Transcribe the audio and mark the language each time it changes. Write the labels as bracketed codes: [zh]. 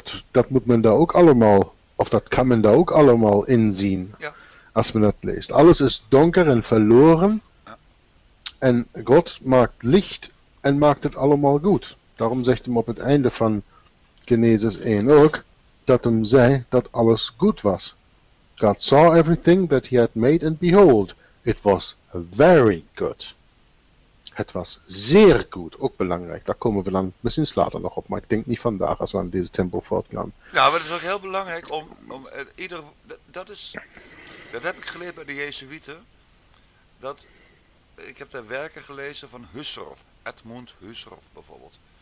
[nl] Dat moet men daar ook allemaal, of dat kan men daar ook allemaal inzien. Ja. Als men dat leest. Alles is donker en verloren. Ja. En God maakt licht en maakt het allemaal goed. Daarom zegt hem op het einde van Genesis 1 ook, dat hem zei dat alles goed was. [en] God saw everything that he had made and behold, it was very good. [nl] Het was zeer goed, ook belangrijk. Daar komen we dan misschien later nog op, maar ik denk niet vandaag als we aan deze tempo voortgaan. Ja, maar het is ook heel belangrijk om ieder... Dat heb ik geleerd bij de Jezuïeten. Ik heb daar werken gelezen van Husserl, Edmund Husserl bijvoorbeeld.